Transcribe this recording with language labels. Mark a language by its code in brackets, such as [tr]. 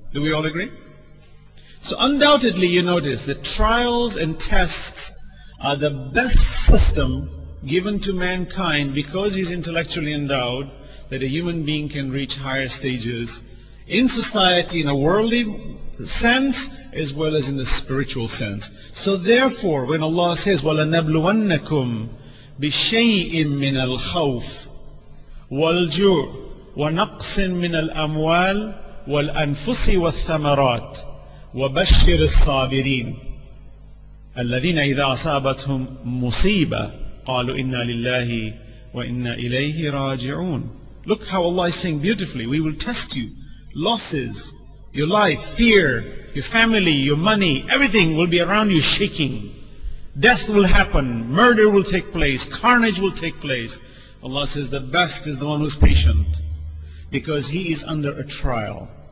[en] Do we all agree? So undoubtedly you notice that trials and tests are the best system given to mankind because he's intellectually endowed, that a human being can reach higher stages in society, in a worldly sense, as well as in the spiritual sense. So therefore, when Allah says, [ar] وَلَنَبْلُوَنَّكُمْ بِشَيْءٍ مِّنَ الْخَوْفِ وَالْجُوعِ وَنَقْصٍ مِّنَ الْأَمْوَالِ وَالْأَنفُسِ وَالثَّمَرَاتِ وَبَشِّرِ الصَّابِرِينَ الَّذِينَ إِذَا أَصَابَتْهُمْ مُصِيبَةٌ قَالُوا إِنَّا لِلَّهِ وَإِنَّا إِلَيْهِ رَاجِعُونَ. [en] Look how Allah is saying beautifully, we will test you. Losses, your life, fear, your family, your money, everything will be around you shaking. Death will happen, murder will take place, carnage will take place. Allah says the best is the one who is patient, because he is under a trial.